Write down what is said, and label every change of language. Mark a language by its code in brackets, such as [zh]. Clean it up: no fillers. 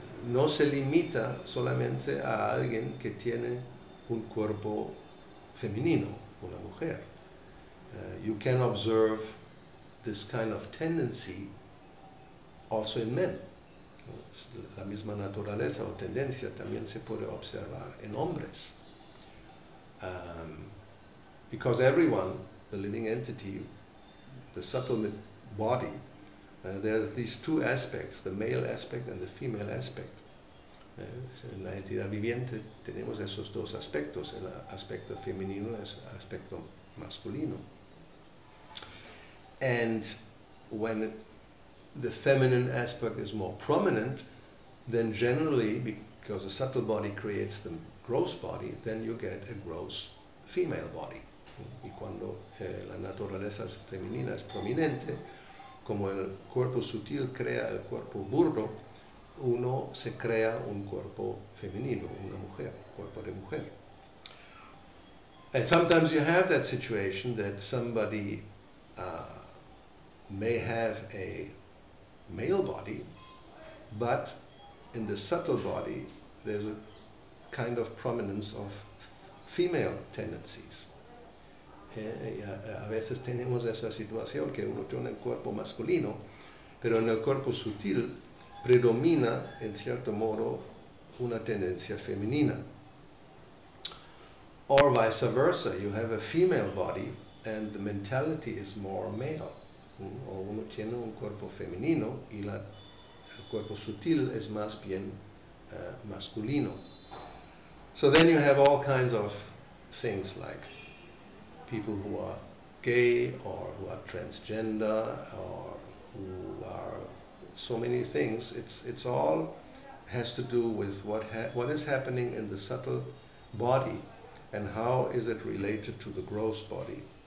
[es] No se limita solamente a alguien que tiene un cuerpo femenino, una mujer. [en] You can observe this kind of tendency also in men. [es] La misma naturaleza o tendencia también se puede observar en hombres. [en] Because everyone, the living entity, the subtle body, there's these two aspects, the male aspect and the female aspect. [es] En la entidad viviente tenemos esos dos aspectos, el aspecto femenino y el aspecto masculino. [en] And when the feminine aspect is more prominent, then generally, because the subtle body creates the gross body, then you get a gross female body. [es] Y cuando la naturaleza femenina es prominente, como el cuerpo sutil crea el cuerpo burdo, uno se crea un cuerpo femenino, una mujer, cuerpo de mujer. [en] And sometimes you have that situation that somebody may have a male body, but in the subtle body there's a kind of prominence of female tendencies. [es] A veces tenemos esa situación que uno tiene el cuerpo masculino, pero en el cuerpo sutil predomina, en cierto modo, una tendencia femenina. [en] Or vice versa, you have a female body and the mentality is more male. [es] O uno tiene un cuerpo femenino y el cuerpo sutil es más bien masculino. [en] So then you have all kinds of things like people who are gay or who are transgender or who are so many things. It's all has to do with what is happening in the subtle body and how is it related to the gross body.